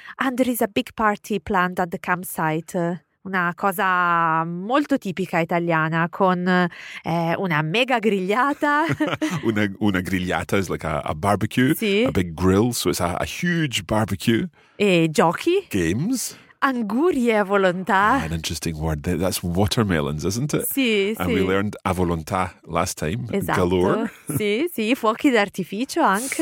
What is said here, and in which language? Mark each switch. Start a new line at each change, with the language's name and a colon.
English: And there is a big party planned at the campsite.
Italian: Una cosa molto tipica italiana, con una mega grigliata. una grigliata
English: is like a barbecue,
Italian: sì,
English: a big grill, so it's a huge barbecue.
Italian: E giochi.
English: Games.
Italian: Anguri a volontà.
English: Ah, an interesting word. That's watermelons, isn't it?
Italian: Sì, sì.
English: And we learned a volontà last time.
Italian: Esatto.
English: Galore.
Italian: Sì, sì. Fuochi d'artificio anche.